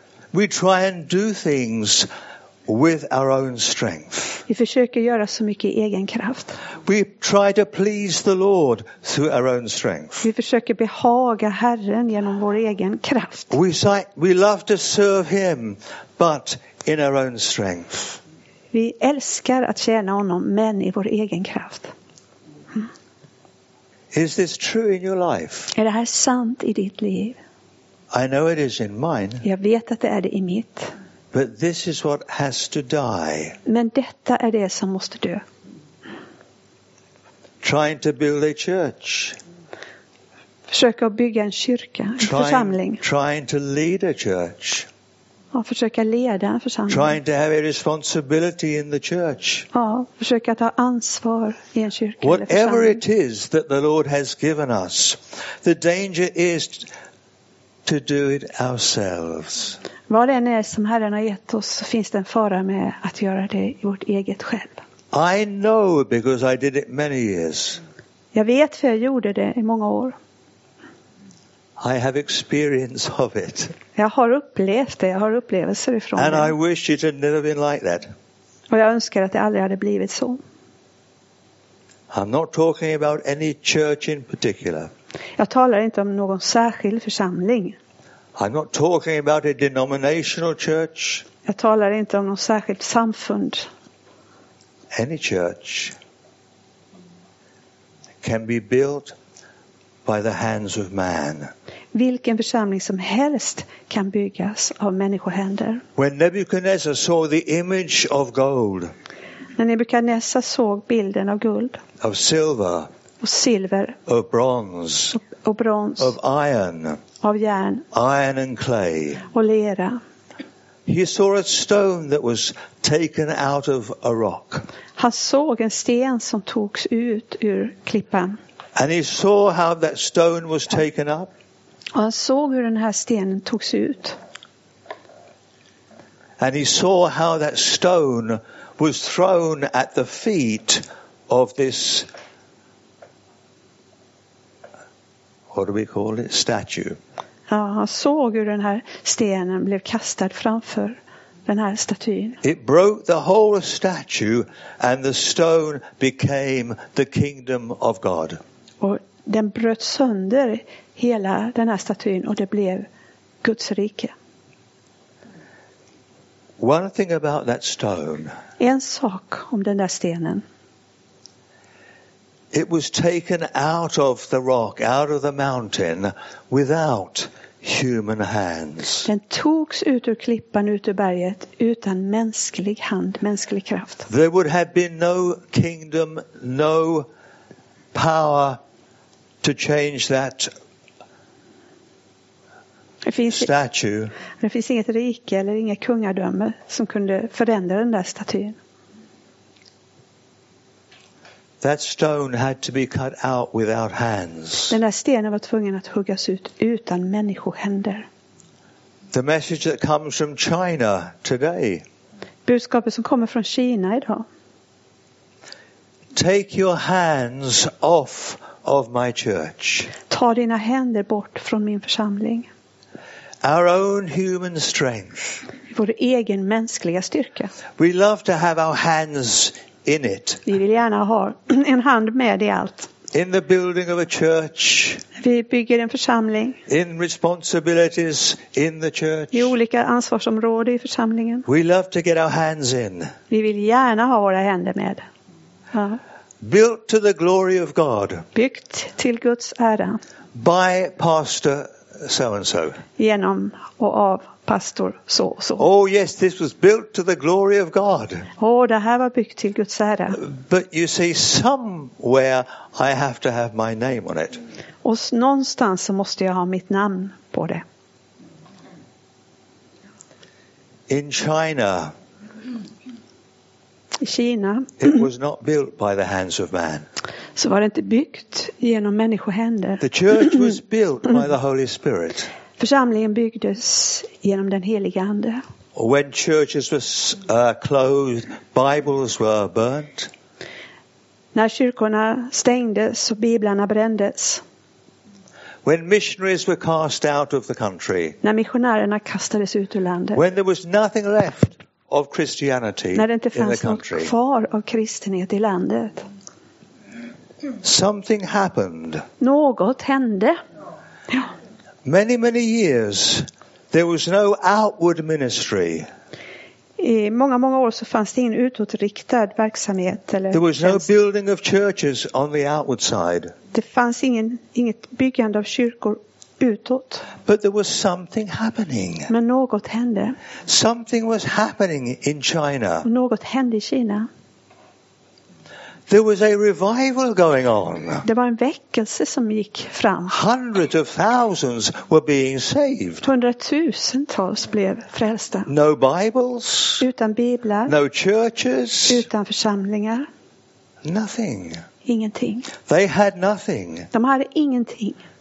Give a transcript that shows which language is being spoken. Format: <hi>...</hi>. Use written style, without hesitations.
<en>We try and do things with our own strength.</en> <sv>Vi försöker göra så mycket i egen kraft.</sv> <en>We try to please the Lord through our own strength.</en> <sv>Vi försöker behaga Herren genom vår egen kraft.</sv> <en>We love to serve him, but in our own strength.</en> <sv>Vi älskar att tjäna honom, men i vår egen kraft.</sv> <en>Is this true in your life?</en> <sv>Är det här sant i ditt liv?</sv> <en>I know it is in mine.</en> <sv>Jag vet att det är det i mitt.</sv> <en>But this is what has to die.</en> <sv>Men detta är det som måste dö.</sv> <en>Trying to build a church.</en> <sv>Försöka bygga en kyrka, en församling.</sv> <en>Trying to lead a church.</en> <sv>Ja, försöka leda en församling.</sv> <en>Trying to have a responsibility in the church.</en> <sv>Ja, försöka ta ansvar i en kyrka.</sv> <en>Whatever it is that the Lord has given us, the danger is to do it ourselves.</en> <sv>Vad det än är som Herren har gett oss, så finns det en fara med att göra det i vårt eget själv.</sv> <en>I know because I did it many years.</en> <sv>Jag vet för jag gjorde det i många år.</sv> <en>I have experience of it.</en> <sv>Jag har upplevt det, jag har upplevelser ifrån</sv> <en>and</en> <sv>det.</sv> <en>And I wish it had never been like that.</en> <sv>Och jag önskar att det aldrig hade blivit så.</sv> <en>I'm not talking about any church in particular.</en> <sv>Jag talar inte om någon särskild församling.</sv> <en>I'm not talking about a denominational church.</en> <sv>Jag talar inte om någon särskild samfund.</sv> <en>Any church can be built by the hands of man.</en> <sv>Vilken församling som helst kan byggas av människohänder.</sv> <en>When Nebuchadnezzar saw the image of gold.</en> <sv>När Nebuchadnezzar såg bilden av guld.</sv> <en>Of silver.</en> <sv>Och silver,</sv> <en>of bronze,</en> <sv>och brons,</sv> <en>of iron,</en> <sv>av järn,</sv> <en>iron and clay,</en> <sv>och lera.</sv> <en>He saw a stone that was taken out of a rock.</en> <sv>Han såg en sten som togs ut ur klippan.</sv> <en>And he saw how that stone was taken up.</en> <sv>Och han såg hur den här stenen togs ut.</sv> <en>And he saw how that stone was thrown at the feet of this. What do we call it? Statue.</en> <sv>Ja, han såg hur den här stenen blev kastad framför den här statyn.</sv> <en>It broke the whole statue and the stone became the kingdom of God.</en> <sv>Och den bröt sönder hela den här statyn och det blev Guds rike.</sv> <en>One thing about that stone.</en> <sv>En sak om den där stenen.</sv> <en>It was taken out of the rock, out of the mountain, without human hands.</en> <sv>Den togs ut ur klippan, ut ur berget, utan mänsklig hand, mänsklig kraft.</sv> <en>There would have been no kingdom, no power to change that statue.</en> <sv>Det finns inget rike eller inga kungadöme som kunde förändra den där statyn.</sv> <en>That stone had to be cut out without hands.</en> <sv>Den där stenen var tvungen att huggas ut utan människohänder.</sv> <en>The message that comes from China today.</en> <sv>Budskapet som kommer från Kina idag.</sv> <en>Take your hands off of my church.</en> <sv>Ta dina händer bort från min församling.</sv> <en>Our own human strength.</en> <sv>Vår egen mänskliga styrka.</sv> <en>We love to have our hands in it.</en> <sv>Vi vill gärna ha en hand med i allt.</sv> <en>In the building of a church.</en> <sv>Vi bygger en församling.</sv> <en>In responsibilities in the church.</en> <sv>I olika ansvarsområden i församlingen.</sv> <en>We love to get our hands in.</en> <sv>Vi vill gärna ha våra händer med.</sv> <en>Built to the glory of God.</en> <sv>Byggt till Guds ära.</sv> <en>By pastor so and so.</en> <sv>Genom och av pastor så och så.</sv> <en>Oh yes, this was built to the glory of God.</en> <sv>Oh, det här var byggt till Guds ära.</sv> <en>But you see, somewhere I have to have my name on it.</en> <sv>Och någonstans så måste jag ha mitt namn på det.</sv> <en>In China.</en> <sv>I Kina.</sv> <en>It was not built by the hands of man.</en> <sv>Så var det inte byggt genom människohänder.</sv> <en>The church was built by the Holy Spirit.</en> <sv>Församlingen byggdes genom den helige ande.</sv> <en>When churches were closed, Bibles were burnt.</en> <sv>När kyrkorna stängdes och biblarna brändes.</sv> <en>When missionaries were cast out of the country.</en> <sv>När missionärerna kastades ut ur landet.</sv> <en>When there was nothing left of Christianity in the country.</en> <sv>När det inte fanns något kvar av kristenhet i landet.</sv> <en>Something happened.</en> <sv>Något hände.</sv> <en>Many, many years there was no outward ministry.</en> <sv>I många, många år så fanns det ingen utåtriktad verksamhet. Eller</sv> <en>there was no building of churches on the outward side.</en> <sv>Det fanns inget byggande av kyrkor utåt.</sv> <en>But there was something happening.</en> <sv>Men något hände.</sv> <en>Something was happening in China.</en> <sv>Något hände i Kina.</sv> <en>There was a revival going on.</en> <sv>Det var en väckelse som gick fram.</sv> <en>Hundreds of thousands were being saved.</en> <sv>Hundratusentals blev frälsta.</sv> <en>No Bibles.</en> <sv>Utan biblar.</sv> <en>No churches.</en> <sv>Utan församlingar.</sv> <en>Nothing.</en> <sv>Ingenting.</sv> <en>They had nothing.</en> <sv>De hade ingenting.</sv>